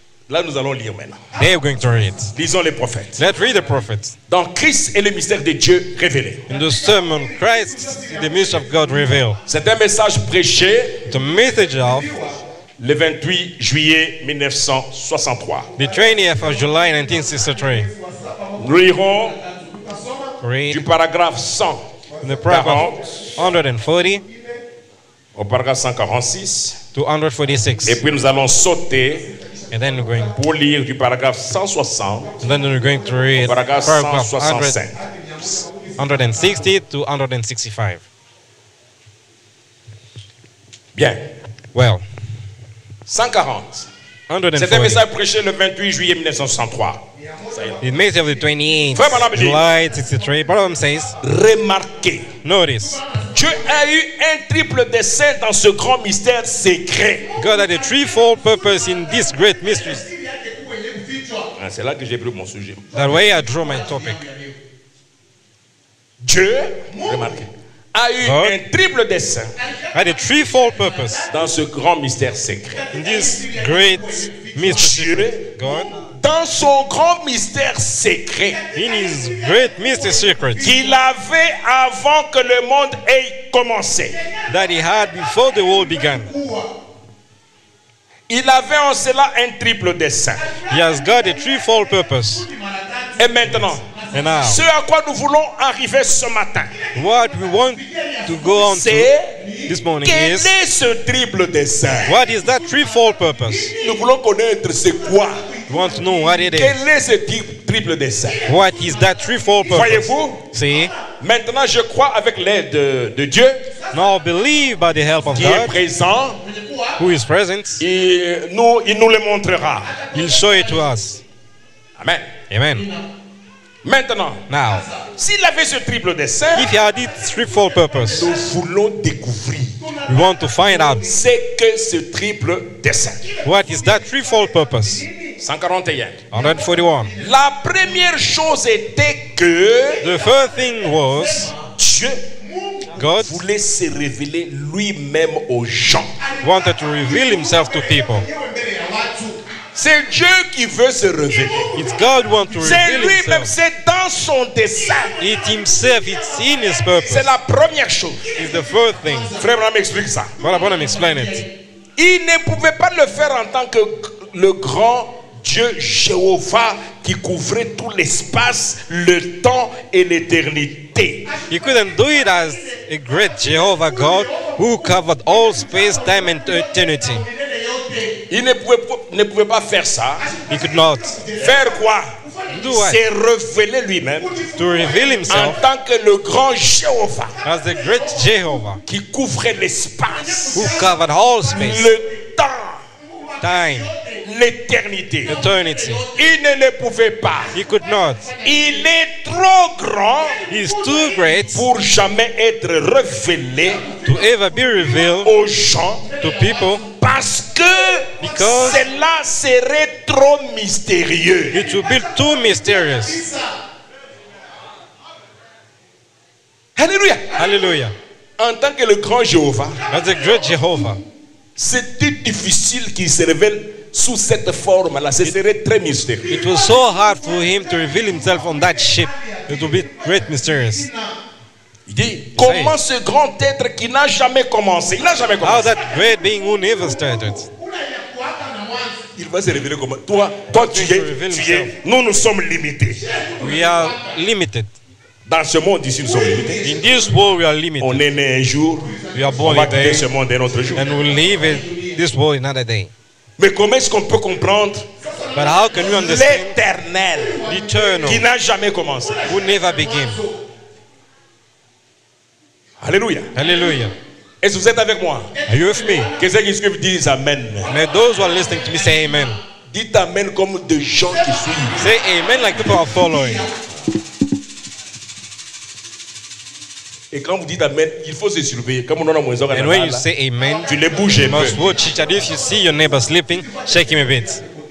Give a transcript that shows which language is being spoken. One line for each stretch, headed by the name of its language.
French: Là, nous allons lire maintenant.
English: They are going to read.
French: Lisons les prophètes.
English: Let's read the prophets.
French: Dans Christ et le mystère de Dieu révélé.
English: In the sermon, Christ, the mystery of God revealed.
French: C'est un message prêché.
English: The message of.
French: Le 28 juillet 1963.
English: The 20th of July 1963.
French: Nous lirons.
English: Read.
French: Du paragraphe 100.
English: In the paragraph 140.
French: Au paragraphe 146.
English: To 146.
French: Et puis nous allons sauter.
English: And then we're going
French: pour lire du paragraphe 160.
English: And then we're going to read paragraph 165. 160 to 165.
French: Bien.
English: Well.
French: 140. C'est un message prêché le 28 juillet 1963.
English: The message of the 28th July 63. Paragraph says.
French: Remarquez.
English: Notice.
French: Dieu a eu un triple dessein dans ce grand mystère secret.
English: God had a threefold purpose in this great mystery.
French: Ah, c'est là que j'ai pris mon sujet.
English: That way I draw my topic.
French: Dieu, remarquez, a eu
English: God
French: un triple dessein.
English: Had a threefold purpose
French: dans ce grand mystère secret.
English: In this great mystery.
French: Dieu,
English: God,
French: dans son grand mystère secret,
English: in his great mystery secret,
French: qu'il avait avant que le monde ait commencé,
English: that he had before the world began.
French: Il avait en cela un triple dessein.
English: He has got a threefold purpose.
French: Et maintenant,
English: and now,
French: ce à quoi nous voulons arriver ce matin,
English: what we want to go on to this morning,
French: quel
English: is,
French: est ce triple dessein?
English: What is that threefold purpose?
French: Nous voulons connaître c'est quoi.
English: We want to know what it is.
French: Quel est ce triple dessein?
English: What is that threefold purpose?
French: Voyez-vous?
English: See?
French: Maintenant, je crois avec l'aide de Dieu.
English: Now believe by the help of
French: qui
English: God.
French: Qui est présent?
English: Who is present?
French: Il nous le montrera.
English: He'll show it to us.
French: Amen.
English: Amen.
French: Maintenant,
English: now,
French: s'il avait ce triple dessein,
English: if he had it threefold purpose,
French: nous voulons découvrir.
English: We want to find out.
French: C'est que ce triple dessein.
English: What is that threefold purpose?
French: 141. La première chose était que
English: the first thing was
French: Dieu
English: God
French: voulait se révéler lui-même aux gens.
English: Wanted to reveal himself to people.
French: C'est Dieu qui veut se révéler.
English: It's God want to
French: c'est
English: reveal
French: lui-même,
English: himself.
French: C'est dans son dessein.
English: It himself, it's in his purpose.
French: C'est la première chose.
English: It's the first thing.
French: Frère Branham explique ça.
English: Well, Branham explain it.
French: Il ne pouvait pas le faire en tant que le grand Dieu Jéhovah qui couvrait tout l'espace, le temps et l'éternité.
English: He couldn't do it as a great Jehovah God who covered all space, time and eternity.
French: Il ne pouvait pas faire ça.
English: He could not.
French: Faire quoi?
English: Do what?
French: Se révéler lui-même.
English: To reveal himself.
French: En tant que le grand Jéhovah.
English: As the great Jehovah.
French: Qui couvrait l'espace.
English: Who covered all space.
French: Le temps.
English: Time.
French: L'éternité.
English: Eternity.
French: Il ne pouvait pas.
English: He could not.
French: Il est trop grand.
English: He is too great.
French: Pour jamais être révélé.
English: To ever be revealed.
French: Aux gens.
English: To people.
French: Parce que
English: because
French: cela serait trop mystérieux.
English: It would be too mysterious.
French: Alléluia.
English: Alléluia.
French: En tant que le grand Jéhovah.
English: As the great Jehovah.
French: C'était difficile qu'il se révèle sous cette forme-là. Ce serait très mystérieux.
English: It was so hard for him to reveal himself on that shape. It would be great mysterious.
French: Il dit, comment ce grand être qui n'a jamais commencé, il n'a jamais commencé.
English: How that great being who never started.
French: Il va se révéler comment? Toi tu es, nous sommes limités.
English: We are limited.
French: Dans ce monde ici, nous sommes limités.
English: In this world, we are limited.
French: On est né un jour,
English: we are born
French: on va quitter ce monde un autre jour.
English: And we'll leave this world another day.
French: Mais comment est-ce qu'on peut comprendre
English: but how can we understand
French: l'éternel
English: eternal,
French: qui n'a jamais commencé?
English: Who never began.
French: Alléluia.
English: Alléluia.
French: Est-ce que vous êtes avec moi?
English: Are you with me?
French: Qu'est-ce qui vous dit? Amen.
English: May those who are listening to me say amen.
French: Dites amen comme des gens qui suivent.
English: Say amen like people are following.
French: Et quand vous dites amen, il faut se surveiller. Comme on en a moins.
English: And when you say amen,
French: tu les bouges un peu.
English: You must watch each other. If you see your neighbor sleeping, shake him a bit.